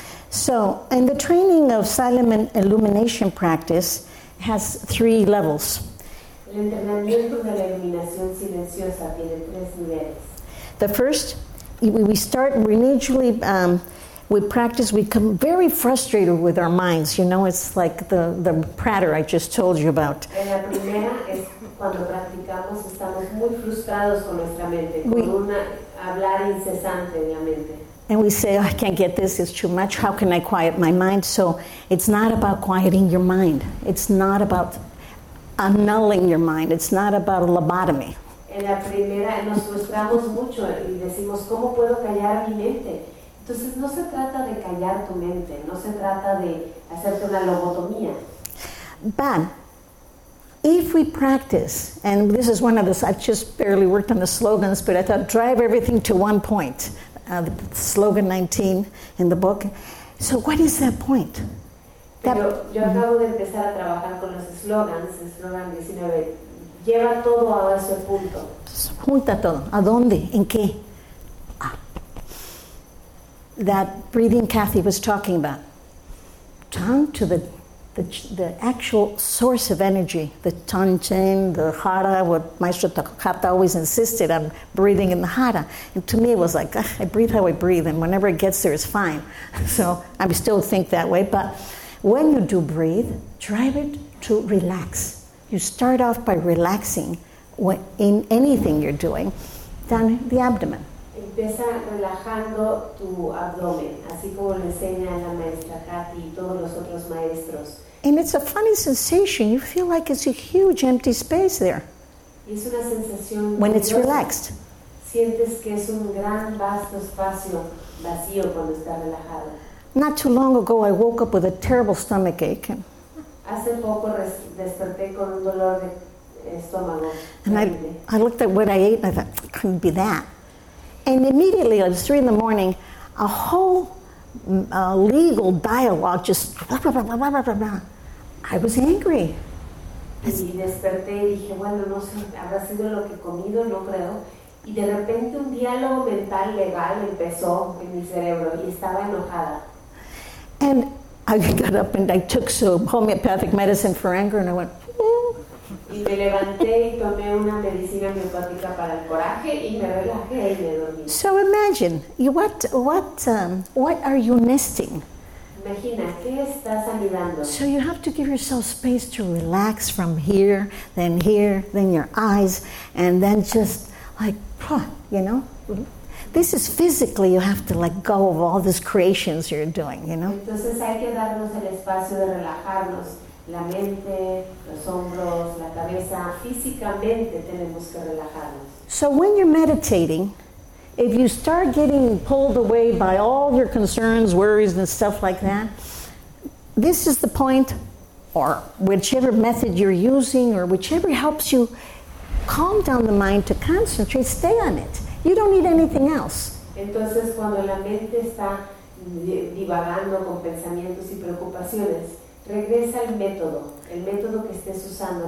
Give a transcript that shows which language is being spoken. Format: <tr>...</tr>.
<en>So, and the training of silent illumination practice has three levels.</en> <es>El entrenamiento de la iluminación silenciosa tiene tres niveles.</es> <en>The first, we start, we initially, we practice, we become very frustrated with our minds. You know, it's like the pratter I just told you about.</en> <es>Cuando practicamos estamos muy frustrados con nuestra mente, hablar incesante de la mente.</es> <en>And we say, I can't get this, it's too much, how can I quiet my mind? So it's not about quieting your mind. It's not about annulling your mind. It's not about a lobotomy.</en> <es>En la primera nos frustramos mucho y decimos, ¿cómo puedo callar mi mente? Entonces no se trata de callar tu mente, no se trata de hacerte una lobotomía.</es> <en>Bad. If we practice, and this is one of the, I just barely worked on the slogans, but I thought, drive everything to one point, slogan 19 in the book. So what is that point?</en> <es>Yo acabo de empezar a trabajar con los slogans, slogan 19, lleva todo a ese punto. Junta todo, ¿a dónde, en qué?</es> <en>That breathing Kathy was talking about. Down to the the actual source of energy, the Tan Chen, the Hara, what Maestro Takahata always insisted on breathing in the Hara. And to me, it was like, I breathe how I breathe, and whenever it gets there, it's fine. So I still think that way. But when you do breathe, drive it to relax. You start off by relaxing in anything you're doing, then the abdomen.</en> <es>Empieza relajando tu abdomen, así como le enseña la maestra Kathy y todos los otros maestros.</es> <en>And it's a funny sensation. You feel like it's a huge empty space there.</en> <es>Y es una sensación</es> <en>when</en> <es>curiosa.</es> <en>It's relaxed.</en> <es>Sientes que es un gran vasto espacio vacío cuando está relajado.</es> <en>Not too long ago, I woke up with a terrible stomach ache.</en> <es>Hace poco desperté con un dolor de estómago.</es> <en>And I looked at what I ate and I thought, it couldn't be that. And immediately, it was 3 in the morning, a whole legal dialogue just blah, blah, blah, blah, blah, blah, blah, blah. I was angry.</en> <es>Y desperté y dije, bueno, no sé, habrá sido lo que he comido, no creo. Y de repente un diálogo mental legal empezó en mi cerebro y estaba enojada.</es> <en>And I got up and I took some homeopathic medicine for anger and I went,</en> <es>y me levanté y tomé una medicina homeopática para el coraje y me relajé y me dormí.</es> <en>So imagine, what are you nesting?</en> <es>Imagina, ¿qué estás anidando?</es> <en>So you have to give yourself space to relax from here, then your eyes, and then just like, you know? This is physically, you have to let go of all these creations you're doing, you know?</en> <es>Entonces hay que darnos el espacio de relajarnos. La mente, los hombros, la cabeza, físicamente tenemos que relajarnos.</es> <en>So when you're meditating, if you start getting pulled away by all your concerns, worries, and stuff like that, this is the point, or whichever method you're using, or whichever helps you calm down the mind to concentrate, stay on it. You don't need anything else.</en> <es>Entonces, cuando la mente está divagando con pensamientos y preocupaciones, regresa el método que estés usando.</es>